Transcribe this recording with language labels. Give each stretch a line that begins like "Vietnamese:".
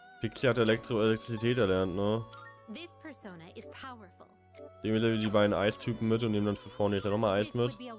German: Pixie hat Elektrizität erlernt, ne?
English: This persona is powerful.
German: Nehmen wir die beiden Eistypen mit und nehmen dann für vorne jetzt nochmal Eis mit.